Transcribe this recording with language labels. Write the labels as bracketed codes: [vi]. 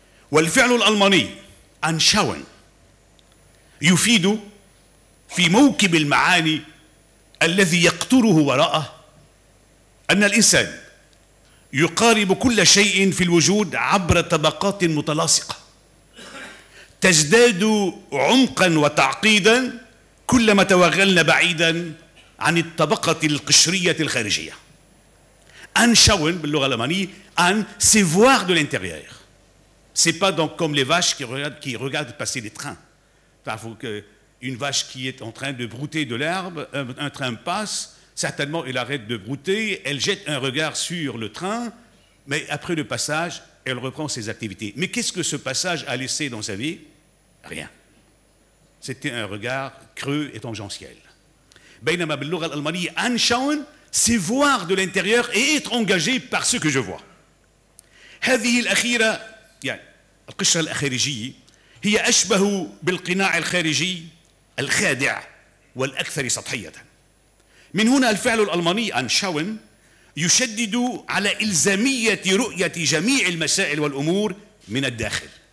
[ar] والفعل الألماني Anschauen يفيد في موكب المعاني الذي يقتره وراءه أن الإنسان يقارب كل شيء في الوجود عبر طبقات متلاصقة تزداد عمقا وتعقيدا كلما توغلنا بعيدا عن الطبقة القشرية الخارجية. [fr] Anschauen [ar] باللغة الألمانية أن [fr] c'est voir de l'intérieur. C'est pas donc comme les vaches qui regardent passer les trains. Parfois, une vache qui est en train de brouter de l'herbe, un train passe, certainement elle arrête de brouter, elle jette un regard sur le train, mais après le passage, elle reprend ses activités. Mais qu'est-ce que ce passage a laissé dans sa vie? Rien. C'était un regard creux et tangentiel. [ar] Bainama bellugha al-almaniya anshaun, [fr] c'est voir de l'intérieur et être engagé par ce que je vois. [ar] Hadhihi al-akhira, يعني القشرة الخارجية، هي أشبه بالقناع الخارجي الخادع والأكثر سطحية. من هنا الفعل الألماني Anschauen يشدد على إلزامية رؤية جميع المسائل والأمور من الداخل